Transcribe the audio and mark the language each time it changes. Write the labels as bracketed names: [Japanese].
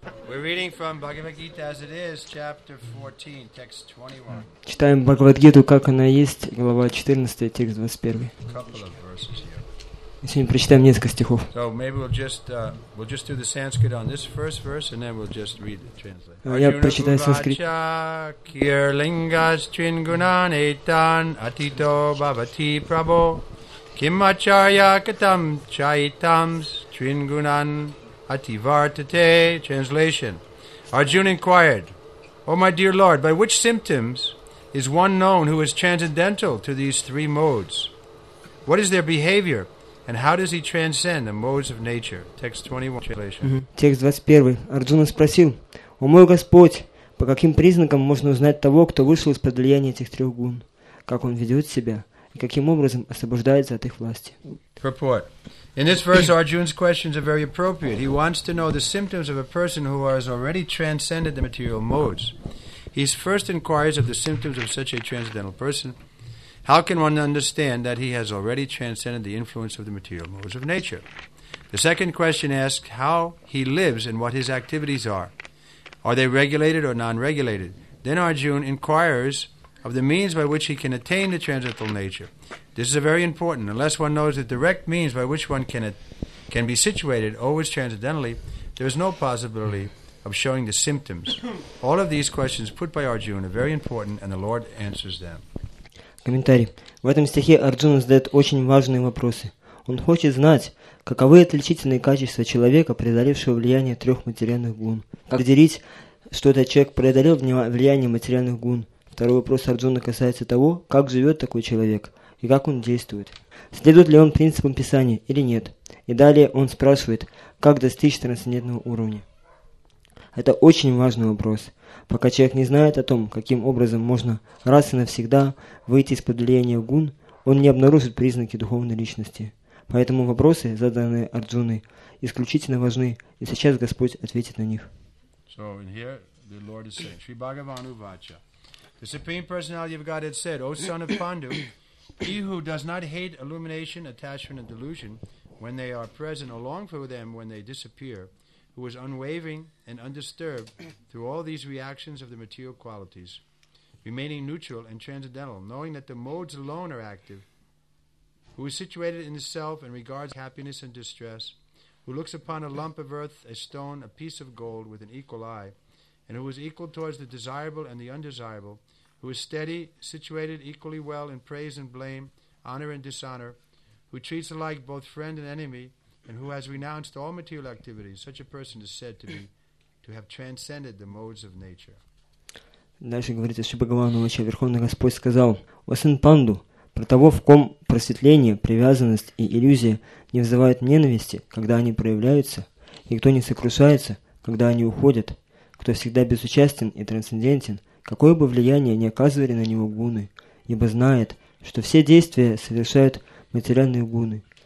[English] We're reading from Bhagavad Gita as it is, chapter 14, text 21. [Russian] Читаем Бхагавад-гиту, как она есть, глава 14, текст 21. [English] A couple of verses here. [Russian] И сегодня прочитаем несколько стихов. [English] So maybe we'll just do the Sanskrit on this first verse, and then we'll just read the translation. [Russian] Я прочитаю санскрит. [Sanskrit] Kirlingas Tringunan Etan Atito Bhavati Prabho Kimacharya Katam Chaitams Tringunan Ativartate. [English] Translation. Arjuna inquired, O my dear Lord, by which symptoms is one known who is transcendental to these three modes? What is their behavior? And how does he transcend the modes of nature? Text 21, translation. [Russian] Текст 21. Арджуна спросил, О мой Господь, по каким признакам можно узнать того, кто вышел из-под влияния этих трех гун? Как он ведет себя? И каким образом освобождается от их власти? [English] Purport. In this verse, Arjuna's questions are very appropriate. He wants to know the symptoms of a person who has already transcended the material modes. His first inquiries of the symptoms of such a transcendental person. How can one understand that he has already transcended the influence of the material modes of nature? The second question asks how he lives and what his activities are. Are they regulated or non-regulated? Then Arjuna inquires of the means by which he can attain the transcendental nature. This is very important. Unless one knows the direct means by which one can be situated always transcendentally, there is no possibility of showing the symptoms. All of these questions put by Arjuna are very important, and the Lord answers them. [Russian] Комментарий. В этом стихе Арджуна задает очень важные вопросы. Он хочет знать, каковы отличительные качества человека, преодолевшего влияние трех материальных гун. Как определить, что этот человек преодолел влияние материальных гун? Второй вопрос Арджуна касается того, как живет такой человек и как он действует. Следует ли он принципам Писания или нет? И далее он спрашивает, как достичь трансцендентного уровня. Это очень важный вопрос. Пока человек не знает о том, каким образом можно раз и навсегда выйти из-под влияния гун, он не обнаружит признаки духовной личности. Поэтому вопросы, заданные Арджуной, исключительно важны, и сейчас Господь ответит на них. [English] So in here the Lord is saying, Shri Bhagavan Uvacha. The Supreme Personality of God had said, O son of Pandu, he who does not hate illumination, attachment and delusion when they are present or long for them when they disappear, who is unwavering and undisturbed through all these reactions of the material qualities, remaining neutral and transcendental, knowing that the modes alone are active, who is situated in the self and regards happiness and distress, who looks upon a lump of earth, a stone, a piece of gold with an equal eye, and who is equal towards the desirable and the undesirable, who is steady, situated equally well in praise and blame, honor and dishonor, who treats alike both friend and enemy, and who has renounced all material activities, such a person is said to have transcended the modes of nature. [Russian] Дальше говорится, что Бхагавану Вача, Верховный Господь сказал, «О сын Панду, про того, в ком просветление, привязанность и иллюзия не вызывают ненависти, когда они проявляются, и кто не сокрушается, когда они уходят, кто всегда безучастен и трансцендентен, какое бы влияние ни оказывали на него гуны, ибо знает, что все действия совершают материальные гуны».